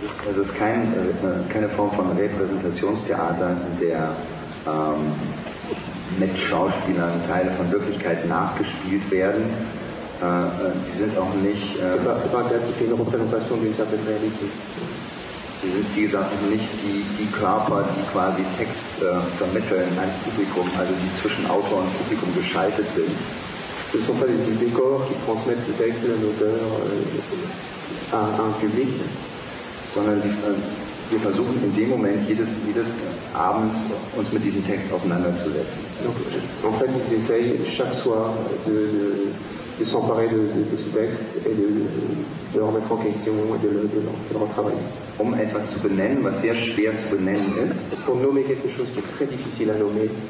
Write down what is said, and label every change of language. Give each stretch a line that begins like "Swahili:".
German: Es ist keine Form von Repräsentationstheater, in der mit Schauspielern Teile von Wirklichkeit nachgespielt werden. Sie sind auch nicht.
French: C'est pas un théâtre qui fait une représentation d'une certaine réalité.
German: Sie sind, wie gesagt, nicht die Körper, die quasi Text vermitteln ans Publikum, also die zwischen Autor und Publikum geschaltet sind.
French: Ce ne sont pas les décors qui transmettent le texte d'un auteur à un public,
German: sondern wir versuchen in dem Moment jedes Abends uns mit diesem Text auseinanderzusetzen.
French: Donc, en fait, ils essayent chaque soir de s'emparer de ce texte et de le remettre en question et de le retravailler.
German: Um etwas zu benennen, was sehr schwer zu benennen ist.
French: Pour nommer quelque chose qui est très difficile à nommer.